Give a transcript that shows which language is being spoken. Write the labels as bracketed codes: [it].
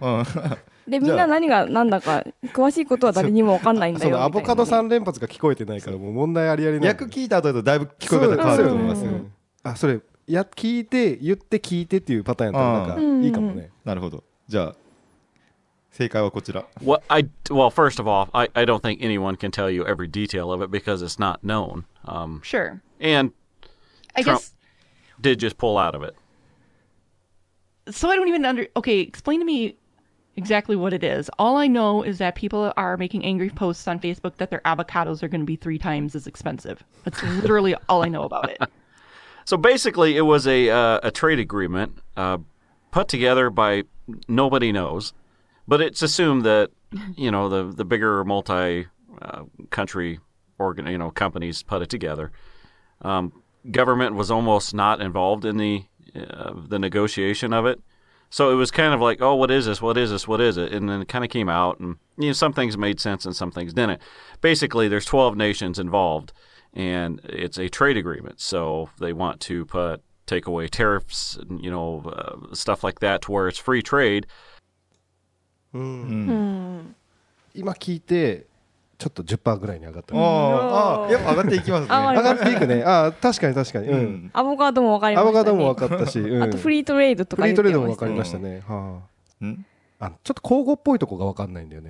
[ja] うんで、みんな何が何だか詳しいことは誰にも分かんないんだよ、アボカド3連発が聞こえてないからもう問題ありありない、訳聞いた後だとだいぶ聞こえ方変わると思いますよ、それ聞いて言って聞いてっていうパターンやったらなんかいいかもね、なるほど、じゃあ正解はこちら。 [en] Well, first of all, I don't think anyone can tell you every detail of it because it's not known. Sure. And I Trump guess... did just pull out of it. So I don't even explain to me exactly what it is. All I know is that people are making angry posts on Facebook that their avocados are going to be three times as expensive. That's literally all I know about it. So basically, it was a trade agreement put together by nobody knows. But it's assumed that, you know, the bigger multi-country companies put it together. Government was almost not involved in the negotiation of it. So it was kind of like, oh, what is this? What is this? What is it? And then it kind of came out. And, you know, some things made sense and some things didn't. Basically, there's 12 nations involved, and it's a trade agreement. So they want to take away tariffs and, you know, stuff like that to where it's free trade. [ja] うん、今聞いてちょっと 10% ぐらいに上がった、ね、ああやっぱ上がっていきますね上がっていくねああ確かに確かに、うんうん、アボカドも分かりましたねアボカドも分かったし、うん、あとフリートレードとか言ってましたねフリートレードも分かりましたね、うんはあ、んあのちょっと口語っぽいとこが分かんないんだよね